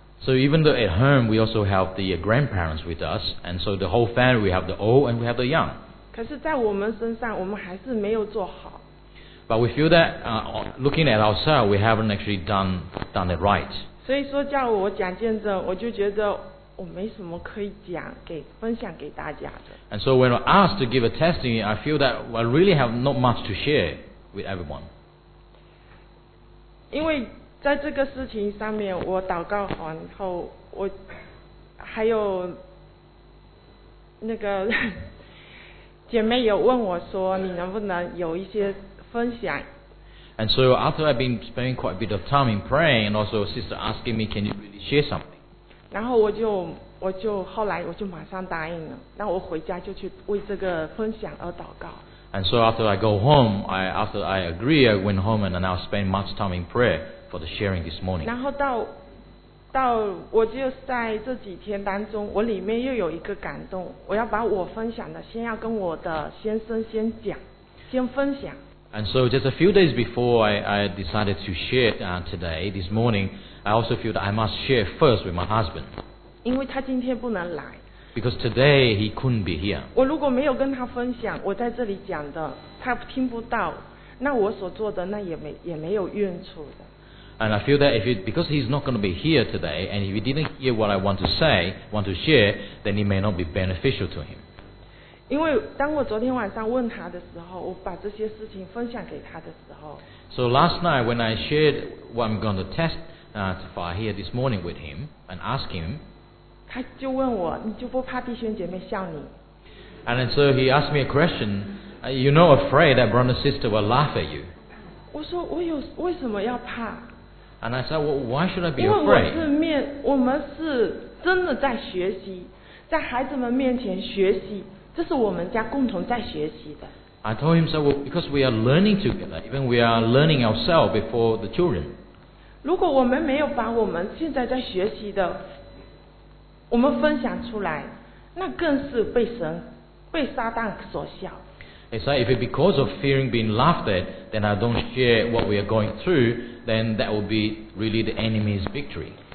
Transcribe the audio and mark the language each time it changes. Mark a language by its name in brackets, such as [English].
[English] So even though at home we also have the grandparents with us, and so the whole family we have the old and we have the young. [Chinese] 可是在我们身上，我们还是没有做好。 [English] But we feel that looking at ourselves, we haven't actually done it right. [Chinese] 所以说叫我讲见证，我就觉得我没什么可以讲给分享给大家的。 [English] And so when I asked to give a testimony, I feel that I really have not much to share with everyone. [Chinese] 因为在这个事情上面我祷告完后我还有那个姐妹有问我说你能不能有一些分享。 [English] And so after I've been spending quite a bit of time in praying and also sister asking me can you really share something. [Chinese] 然后我就后来马上答应了，那我回家就去为这个分享而祷告。 [English] And so after I go home, I agree, I went home and I now spend much time in prayer.For the sharing this morning. [Chinese] 然后到到我就在这几天当中，我里面又有一个感动，我要把我分享的先要跟我的先生先讲，先分享。 [English] And so just a few days before I decided to share today, this morning, I also feel that I must share first with my husband. [Chinese] 因为他今天不能来。 [English] Because today he couldn't be here. [Chinese] 我如果没有跟他分享，我在这里讲的，他听不到，那我所做的那也没有用处的。 [English] And I feel that because he's not going to be here today, and if he didn't hear what I want to share, then it may not be beneficial to him. [Chinese] 因为当我昨天晚上问他的时候，我把这些事情分享给他的时候。 [English] So last night when I shared what I'm going to testify here this morning with him and ask him, [Chinese] 他就问我，你就不怕弟兄姐妹笑你？ [English] And so he asked me a question. You know, afraid that brother and sister will laugh at you. [Chinese] 我说我有为什么要怕？ [English] And I said, well, why should I be afraid? [Chinese] 我们是真的在学习，在孩子们面前学习，这是我们家共同在学习的。 [English] I told him, so, well, because we are learning together, even we are learning ourselves before the children. [Chinese] 如果我们没有把我们现在在学习的，我们分享出来，那更是被神，被撒旦所笑。 [English] It's like if it's because of fearing being laughed at, then I don't share what we are going through, then that will be really the enemy's victory.